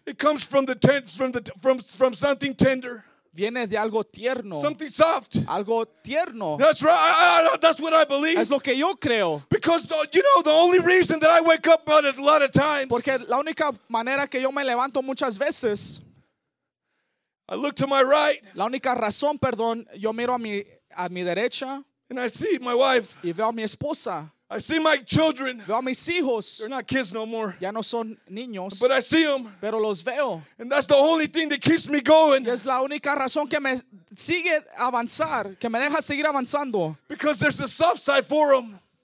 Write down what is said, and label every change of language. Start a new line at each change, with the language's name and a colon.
English: It comes from the tents, from something tender.
Spanish: Viene de algo tierno.
English: Something soft.
Spanish: Algo tierno.
English: That's right. That's what I believe.
Spanish: Es lo que yo creo.
English: Because you know the only reason that I wake up about it a lot of times.
Spanish: Porque la única manera que yo me levanto muchas veces.
English: I look to my right.
Spanish: La única razón, perdón, yo miro a mi derecha.
English: And I see my wife.
Spanish: Y veo a mi esposa.
English: I see my children.
Spanish: Veo a mis hijos.
English: They're not kids no more.
Spanish: Ya no son niños.
English: But I see them.
Spanish: Pero los veo.
English: And that's the only thing that keeps me going.
Spanish: Y es la única razón que me sigue avanzar, que me deja seguir avanzando.
English: Because there's a soft side for them.